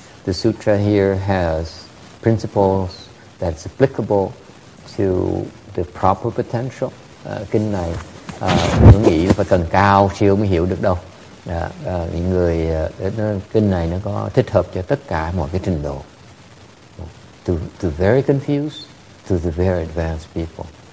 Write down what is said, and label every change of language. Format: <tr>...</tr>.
<en>The sutra here has principles that's applicable to the proper potential.</en> <vi>Kinh này không nghĩ phải cần cao siêu mới hiểu được đâu. Những người kinh này nó có thích hợp cho tất cả mọi cái trình độ.</vi> <en>To very confused, to the very advanced people.</en>